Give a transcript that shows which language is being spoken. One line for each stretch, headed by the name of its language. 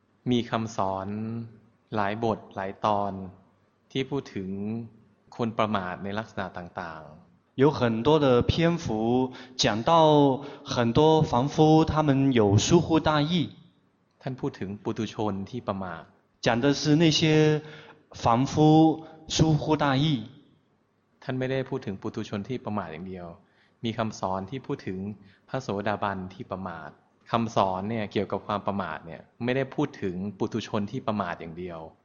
Thai: มีคำสอนหลายบทหลายตอนที่พูดถึงคนประมาทในลักษณะต่าง
Chinese: ๆ有很多的篇幅讲到很多凡夫他们有疏忽大意
Thai: ท่านพูดถึงปุถุชนที่ประมาท
Chinese: 讲的是那些凡夫疏忽大意。
Thai: ท่านไม่ได้พูดถึงปุถุชนที่ประมาทอย่างเดียวมีคำสอนที่พูดถึงพระโสดาบันที่ประมาทคำสอนเนี่ยเกี่ยวกับความประมาทเนี่ยไม่ได้พูดถึงปุถุชนที่ประมาทอย่างเดียว